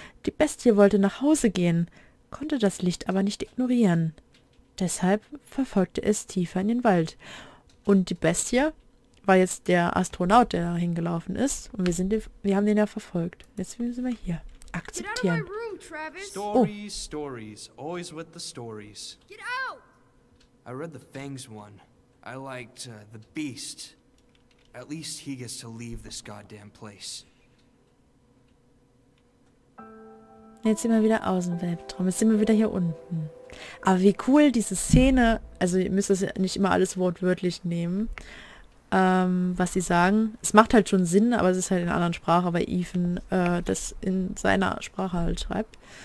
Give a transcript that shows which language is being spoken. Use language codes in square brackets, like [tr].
[de] Die Bestie wollte nach Hause gehen, konnte das Licht aber nicht ignorieren. Deshalb verfolgte es tiefer in den Wald. Und die Bestie war jetzt der Astronaut, der da hingelaufen ist. Und wir haben den ja verfolgt. Jetzt müssen wir hier akzeptieren. [en] Stories, stories, always with the stories. Get out! I read the Fangs one. I liked the Beast. At least he gets to leave this goddamn place. [de] Jetzt sind wir wieder außen im Weltraum. Jetzt sind wir wieder hier unten. Aber wie cool diese Szene. Also ihr müsst das ja nicht immer alles wortwörtlich nehmen. Was sie sagen. Es macht halt schon Sinn, aber es ist halt in einer anderen Sprache, weil Ethan das in seiner Sprache halt schreibt.